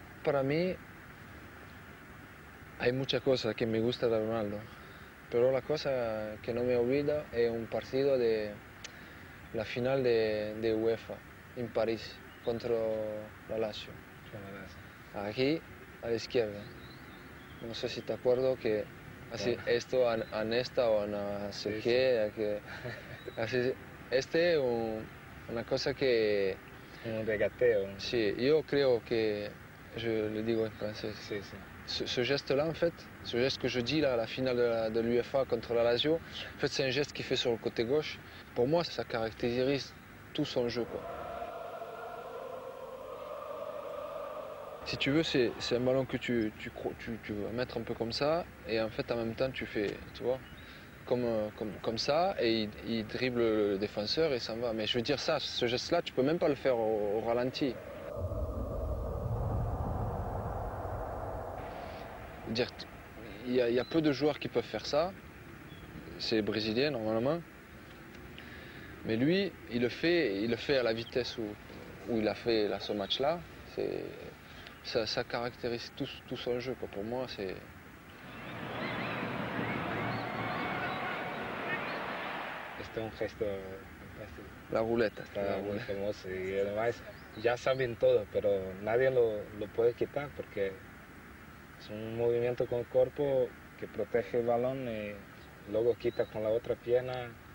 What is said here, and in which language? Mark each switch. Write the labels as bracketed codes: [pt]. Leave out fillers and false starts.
[es] Para mí hay muchas cosas que me gusta de Ronaldo, pero la cosa que no me olvido es un partido de la final de UEFA en París contra la Lazio. Aquí, a la izquierda. No sé si te acuerdo que así, Claro. esto a Nesta o a Sí. Sergio, que así, este es una cosa que. Un regateo. Sí, yo creo que. Yo le digo en francés. Sí. [fr] Ce geste-là, en fait, ce geste que je dis là, à la finale de l'UEFA contre la Lazio, en fait, c'est un geste qu'il fait sur le côté gauche. Pour moi, ça caractérise tout son jeu, quoi. Si tu veux, c'est un ballon que tu vas mettre un peu comme ça, et en fait, en même temps, tu fais, tu vois, comme ça, et il dribble le défenseur et s'en va. Mais je veux dire, ça, ce geste-là, tu peux même pas le faire au ralenti. Dire, il y a peu de joueurs qui peuvent faire ça, c'est brésilien normalement, mais lui il le fait à la vitesse où il a fait là, ce match-là, ça caractérise tout son jeu quoi. Pour moi c'est. [es] Este es un gesto fantástico. La ruleta, Está la muy ruleta. famoso y además ya saben todo, pero nadie lo puede quitar porque es un movimiento con el cuerpo que protege el balón y luego quita con la otra pierna.